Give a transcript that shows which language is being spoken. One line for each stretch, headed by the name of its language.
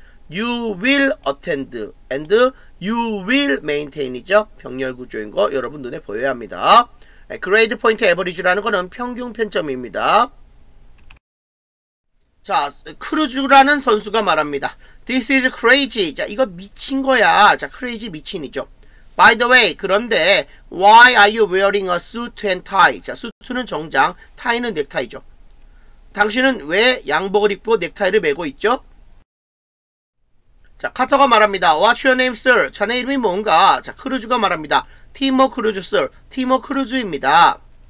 English: You will attend and you will maintain이죠.
Korean: 병렬 구조인 거 여러분 눈에 보여야 합니다. grade point average라는 거는 평균 편점입니다. 자, 크루즈라는 선수가 말합니다.
English: This is crazy.
Korean: 자, 이거 미친 거야. 자, crazy 미친이죠.
English: By the way,
Korean: 그런데
English: why are you wearing a suit and tie?
Korean: 자, 수트는 정장, 타이는 넥타이죠. 당신은 왜 양복을 입고 넥타이를 메고 있죠? 자, 카터가 말합니다.
English: What's your name, sir?
Korean: 자네 이름이 뭔가? 자, 크루즈가 말합니다. Timo Cruise, sir. Timo Cruise입니다.